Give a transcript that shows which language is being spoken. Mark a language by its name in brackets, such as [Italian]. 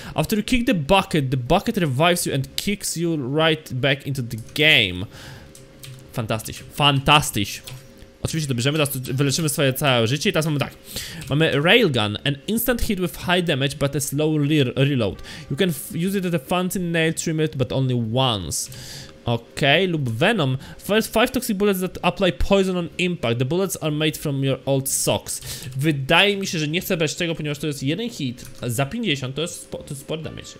[English] After you kick the bucket revives you and kicks you right back into the game. [Polish] Fantastyś. Oczywiście to bierzemy, teraz wyleczymy swoje całe życie i teraz mamy tak. Mamy [English] Railgun, an instant hit with high damage, but a slow reload. You can use it at a fancy nail trimmer, but only once. [Polish] Okej, lub [English] Venom. First 5 toxic bullets that apply poison on impact. The bullets are made from your old socks. [Polish] Wydaje mi się, że nie chcę brać tego, ponieważ to jest jeden hit za 50, to jest spore damage.